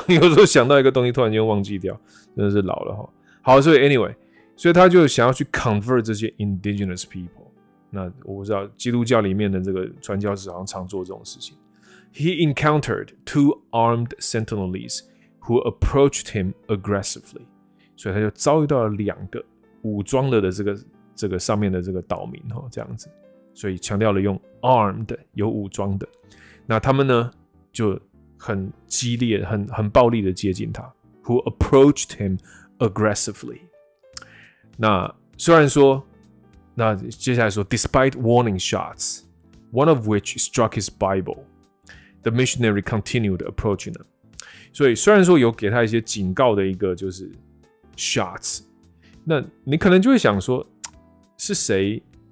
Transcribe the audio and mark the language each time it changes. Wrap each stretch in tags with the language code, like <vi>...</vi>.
<zh>有时候想到一个东西，突然间忘记掉，真的是老了哈。好，所以 anyway， 所以他就想要去 convert 这些 indigenous people。那我不知道基督教里面的这个传教士好像常做这种事情。</zh> <en>He encountered two armed Sentinelese who approached him aggressively。</en> <zh>所以他就遭遇到了两个武装的这个上面的这个岛民哈，这样子。所以强调了用 armed 有武装的。那他们呢就。很激烈 很暴力的接近他</zh> <en>who approached him aggressively</en> <zh>那虽然说那接下来说</zh> <en>despite warning shots one of which struck his Bible the missionary continued approaching them</en> <zh>所以虽然说有给他一些警告的一个就是 shots 那你可能就会想说是谁</zh>